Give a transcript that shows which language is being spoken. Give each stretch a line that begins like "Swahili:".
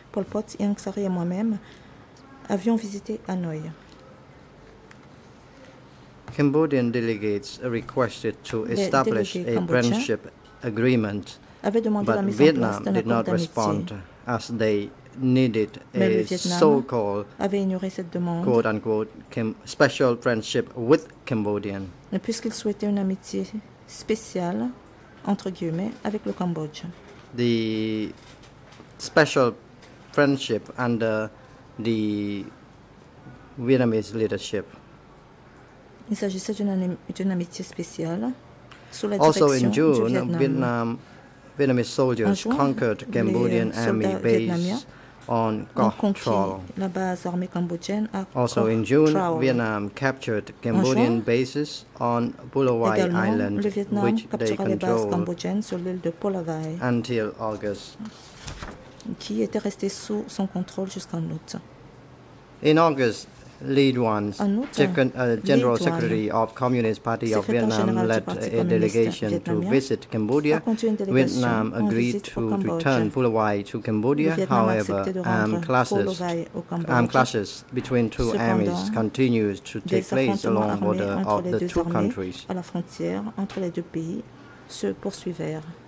French: Pol Pot, Yeng Sary et moi-même avions visité Hanoi.
English: Cambodian delegates requested to establish a friendship agreement, but Vietnam did not respond as they needed a so-called quote-unquote special friendship with Cambodian.
French: Mais puisqu'ils souhaitaient une amitié spéciale, entre guillemets, avec le Cambodge.
English: The special friendship under the Vietnamese leadership.
French: Il s'agissait d'une amitié spéciale sous la direction du Vietnam.
English: Also in June, Vietnamese soldiers conquered Cambodian army base on Koh Trol.
French: La base armée cambodgienne à Koh Trol.
English: Also in June, Vietnam captured Cambodian bases on Bulawai Island, which they controlled until August.
French: Qui était resté sous son contrôle jusqu'en août.
English: In August, Lee Duan, General Secretary of Communist Party of Vietnam, led a delegation to visit Cambodia. Vietnam agreed to return Bulawai to Cambodia. However, armed clashes between two armies continued to take place along the border of the two countries.
French: À la frontière entre les deux pays se poursuivirent.